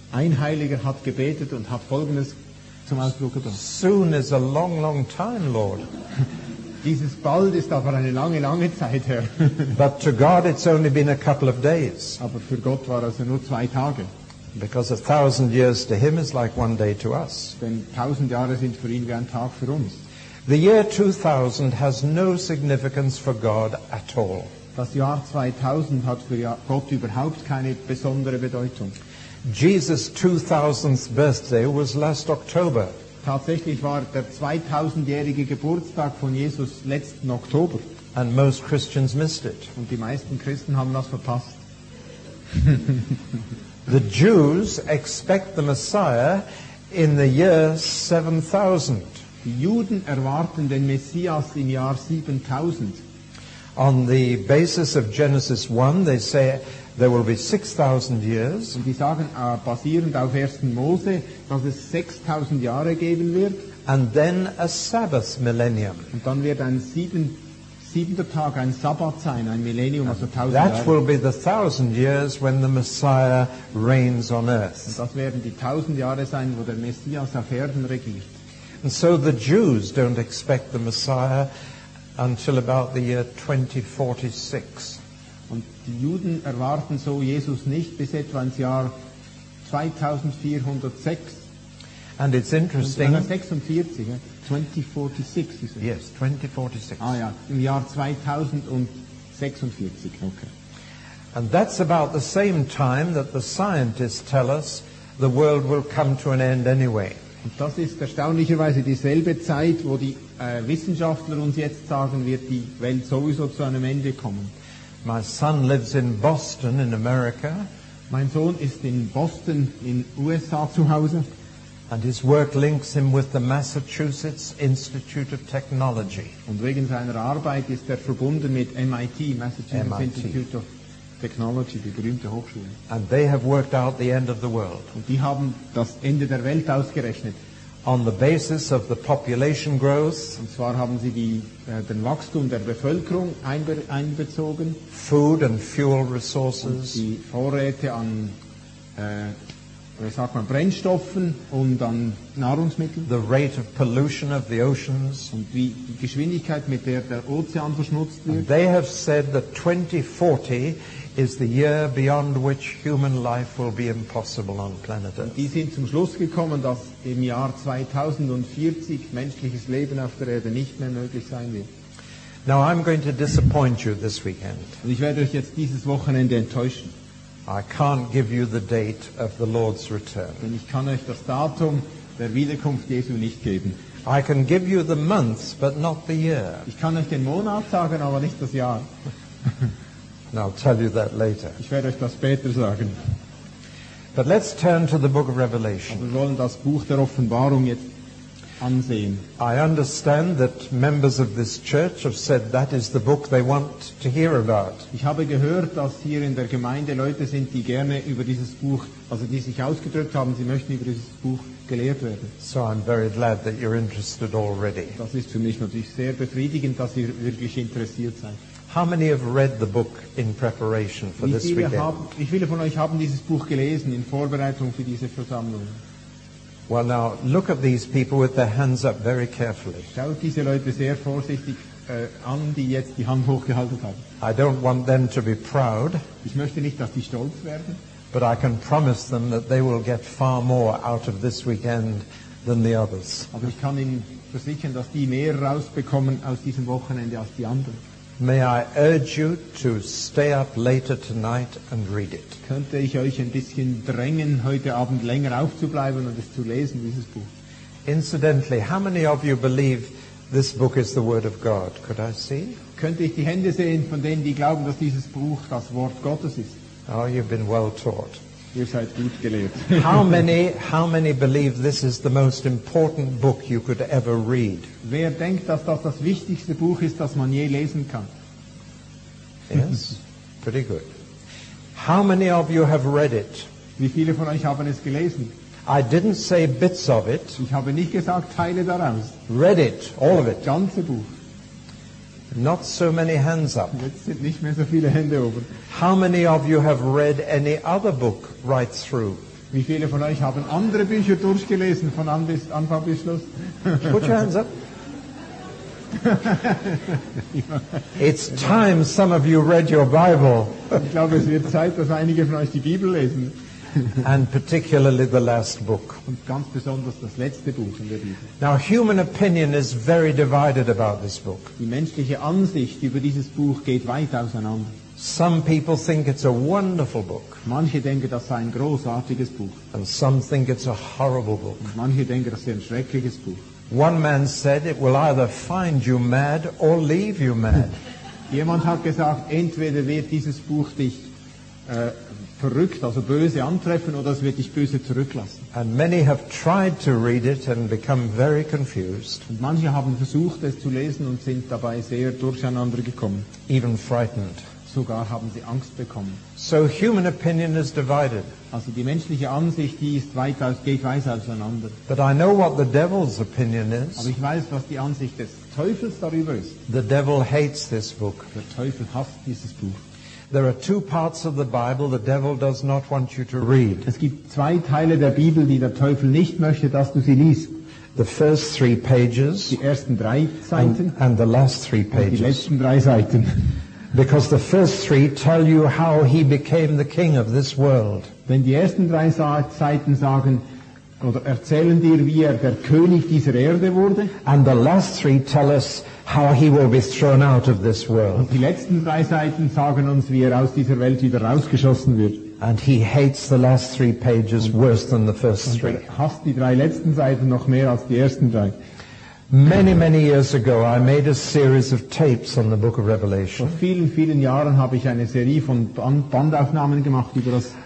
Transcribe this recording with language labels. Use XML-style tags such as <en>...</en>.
<de>Ein Heiliger hat gebetet und hat Folgendes zum Ausdruck gebracht.</de> <en>Soon is a long, long time, Lord.</en> <de>Dieses bald ist aber eine lange, lange Zeit, Herr.</de> <en>But to God it's only been a couple of days.</en> <de>Aber für Gott war es nur zwei Tage.</de> <en>Because 1,000 years to him is like one day to us.</en> <de>Denn 1,000 Jahre sind für ihn wie ein Tag für uns.</de> <en>The year 2000 has no significance for God at all.</en> <de>Das Jahr 2000 hat für Gott überhaupt keine besondere Bedeutung.</de> <en>Jesus' 2000th birthday was last October.</en> <de>Tatsächlich war der 2000-jährige Geburtstag von Jesus letzten Oktober.</de> <en>And most Christians missed it.</en> <de>Und die meisten Christen haben das verpasst.</de> <en>The Jews expect the Messiah in the year 7000.</en> <de>Die Juden erwarten den Messias im Jahr 7000.</de> <en>On the basis of Genesis 1, they say there will be 6,000 years.</en> <de>Und die sagen, basierend auf 1. Mose, dass es 6,000 Jahre geben wird.</de> <en>And then a Sabbath millennium.</en> <de>Und dann wird ein siebenter Tag ein Sabbat sein, ein Millennium, also 1,000</de> <en>that</en> <de>Jahre.</de> <en>That will be the 1,000 years when the Messiah reigns on earth.</en> <de>Und das werden die 1,000 Jahre sein, wo der Messias auf Erden regiert.</de> <en>And so the Jews don't expect the Messiah until about the year 2046.</en> <de>Und die Juden erwarten so Jesus nicht bis etwa ins Jahr 2406.</de> <en>And it's interesting. 46, 2046 is it? Yes, 2046.</en> <de>Ah ja, im Jahr 2046. Okay.</de> <en>And that's about the same time that the scientists tell us the world will come to an end anyway.</en> <de>Und das ist erstaunlicherweise dieselbe Zeit, wo die Wissenschaftler uns jetzt sagen, wird die Welt sowieso zu einem Ende kommen.</de> <en>My son lives in Boston in America.</en> <de>Mein Sohn ist in Boston in USA zu Hause.</de> <en>And his work links him with the Massachusetts Institute of Technology.</en> <de>Und wegen seiner Arbeit ist verbunden mit MIT, Massachusetts Institute of Technology, die berühmte Hochschule.</de> <en>And they have worked out the end of the world.</en> <de>Und die haben das Ende der Welt ausgerechnet.</de> <en>On the basis of the population growth.</en> <de>Und zwar haben sie den Wachstum der Bevölkerung einbezogen.</de> <en>Food and fuel resources.</en> <de>Und die Vorräte an, Brennstoffen und an Nahrungsmitteln.</de> <en>The rate of pollution of the oceans.</en> <de>Und wie die Geschwindigkeit, mit der Ozean verschmutzt wird.</de> <en>And they have said that 2040 is the year beyond which human life will be impossible on planet Earth.</en> <de>Die sind zum Schluss gekommen, dass im Jahr 2040 menschliches Leben auf der Erde nicht mehr möglich sein wird.</de> <en>Now I'm going to disappoint you this weekend.</en> <de>Und ich werde euch jetzt dieses Wochenende enttäuschen.</de> <en>I can't give you the date of the Lord's return.</en> <de>Denn ich kann euch das Datum der Wiederkunft Jesu nicht geben.</de> <en>I can give you the month, but not the year.</en> <de>Ich kann euch den Monat sagen, aber nicht das Jahr.</de> <en>And I'll tell you that later.</en> <de>Ich werde euch das später sagen.</de> <en>But let's turn to the book of Revelation.</en> <de>Aber wir wollen das Buch der Offenbarung jetzt ansehen.</de> <en>I understand that members of this church have said that is the book they want to hear about.</en> <de>Ich habe gehört, dass hier in der Gemeinde Leute sind, die gerne über dieses Buch, also die sich ausgedrückt haben, sie möchten über dieses Buch gelehrt werden.</de> <en>So I'm very glad that you're interested already.</en> <de>Das ist für mich natürlich sehr befriedigend, dass ihr wirklich interessiert seid.</de> <en>How many have read the book in preparation for this weekend?</en> <de>Wie viele von euch haben dieses Buch gelesen in Vorbereitung für diese Versammlung?</de> <en>Well now, look at these people with their hands up very carefully.</en> <de>Schaut diese Leute sehr vorsichtig an, die jetzt die Hand hochgehalten haben.</de> <en>I don't want them to be proud.</en> <de>Ich möchte nicht, dass sie stolz werden.</de> <en>But I can promise them that they will get far more out of this weekend than the others.</en> <de>Aber ich kann ihnen versichern, dass die mehr rausbekommen aus diesem Wochenende als die anderen.</de> <en>May I urge you to stay up later tonight and read it?</en> <de>Könnte ich euch ein bisschen drängen, heute Abend länger aufzubleiben und es zu lesen, dieses Buch?</de> <en>Incidentally, how many of you believe this book is the Word of God? Could I see?</en> <de>Könnte ich die Hände sehen von denen, die glauben, dass dieses Buch das Wort Gottes ist?</de> <en>Oh, you've been well taught.</en> <de>Ihr seid gut gelehrt.</de> <en>How many believe this is the most important book you could ever read?</en> <de>Wer denkt, dass das wichtigste Buch ist, das man je lesen kann?</de> <en>Yes, pretty good. How many of you have read it?</en> <de>Wie viele von euch haben es gelesen?</de> <en>I didn't say bits of it.</en> <de>Ich habe nicht gesagt Teile daraus.</de> <en>Read it, all of it.</en> <de>Das ganze Buch.</de> <en>Not so many hands up.</en> <de>Jetzt sind nicht mehr so viele Hände oben.</de> <en>How many of you have read any other book right through?</en> <de>Wie viele von euch haben andere Bücher durchgelesen von Anfang bis Schluss?</de> <en>Put your hands up. It's time some of you read your Bible.</en> <de>Ich glaube, es wird Zeit, dass einige von euch die Bibel lesen.</de> <en>And particularly the last book.</en> <de>Und ganz besonders das letzte Buch in der Bibel.</de> <en>Now human opinion is very divided about this book.</en> <de>Die menschliche Ansicht über dieses Buch geht weit auseinander.</de> <en>Some people think it's a wonderful book.</en> <de>Manche denken, das sei ein großartiges Buch.</de> <en>And some think it's a horrible book.</en> <de>Und manche denken, das sei ein schreckliches Buch.</de> <en>One man said it will either find you mad or leave you mad.</en> <de>Jemand hat gesagt, entweder wird dieses Buch dich verrückt, also böse antreffen, oder es wird dich böse zurücklassen.</de> <en>And many have tried to read it and become very confused.</en> <de>Und manche haben versucht, es zu lesen und sind dabei sehr durcheinander gekommen.</de> <en>Even frightened.</en> <de>Sogar haben sie Angst bekommen.</de> <en>So human opinion is divided.</en> <de>Also die menschliche Ansicht, die ist geht weit auseinander.</de> <en>But I know what the devil's opinion is.</en> <de>Aber ich weiß, was die Ansicht des Teufels darüber ist.</de> <en>The devil hates this book.</en> <de>Der Teufel hasst dieses Buch.</de> <en>There are two parts of the Bible the devil does not want you to read.</en> <de>Es gibt zwei Teile der Bibel, die der Teufel nicht möchte, dass du sie liest.</de> <en>The first three pages.</en> <de>Die ersten drei Seiten.</de> <en>And the last three pages.</en> <de>Und die letzten drei Seiten.</de> <en>Because the first three tell you how he became the king of this world.</en> <de>Denn die ersten drei Seiten sagen oder erzählen dir, wie der König dieser Erde wurde.</de> <en>And the last three tell us how he will be thrown out of this world.</en> <de>Und die letzten drei Seiten sagen uns, wie aus dieser Welt wieder rausgeschossen wird.</de> <en>And he hates the last three pages worse than the first three.</en> <de>Und hasst die drei letzten Seiten noch mehr als die ersten drei.</de> <en>Many, many years ago, I made a series of tapes on the Book of Revelation.</en> <de>Vor vielen, vielen Jahren habe ich eine Serie von Bandaufnahmen gemacht über das.</de>